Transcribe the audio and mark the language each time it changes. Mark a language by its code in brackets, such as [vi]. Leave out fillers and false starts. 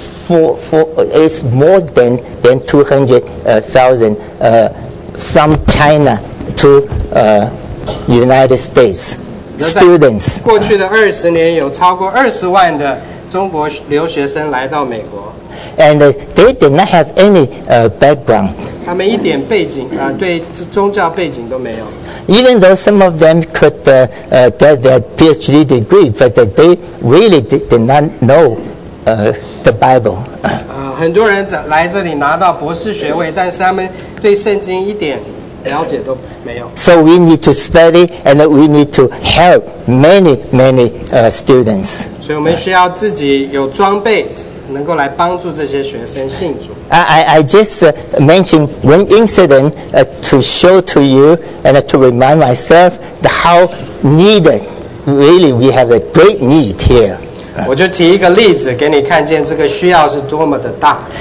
[en] It's more than 200,000 from China to United States students. [zh] 过去的二十年，有超过200,000的中国留学生来到美国。 [en] And they did not have any background. [zh] 他们一点背景啊，对宗教背景都没有。 [en] Even though some of them could get their PhD degree, but they really did not know. The Bible. [zh] 很多人来这里拿到博士学位，但是他们对圣经一点了解都没有。 [en] So we need to study, and we need to help many students. [zh] 所以我们需要自己有装备，能够来帮助这些学生信主。 [en] I just mentioned one incident to show to you and to remind myself the how needed. Really, we have a great need here. [zh] 我就提一个例子给你看见这个需要是多么的大。